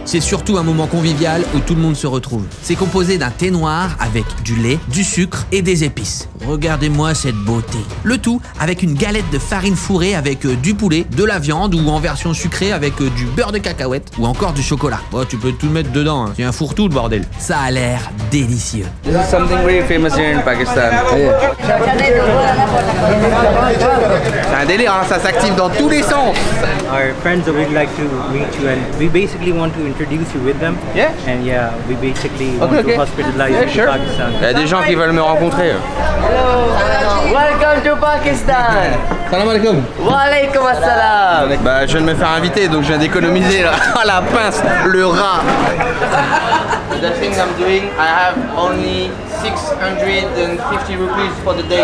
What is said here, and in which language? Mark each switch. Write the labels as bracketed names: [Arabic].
[French] C'est surtout un moment convivial où tout le monde se retrouve. C'est composé d'un thé noir avec du lait, du sucre et des épices. Regardez-moi cette beauté. Le tout avec une galette de farine fourrée avec du poulet, de la viande ou en version sucrée avec du beurre de cacahuète ou encore du chocolat. Oh, tu peux tout mettre dedans, hein. C'est un fourre-tout le bordel. Ça a l'air délicieux. [English] This is something really famous here in Pakistan. [French] C'est un délire, hein, ça s'active dans tous les sens. [English] Our friends would like to meet you and we basically want to introduce you with them. Yeah. And yeah, we basically want to hospitalize you to Pakistan. [French] Il y a des gens qui veulent me rencontrer. [English] Hello, welcome to Pakistan. [Arabic] Salam alaikum. Wa alaikum assalam. [French] Bah, je viens de me faire inviter, donc je viens d'économiser là. Ah, la pince, le rat. [English] The things I'm doing, I have only 650 rupees for the day.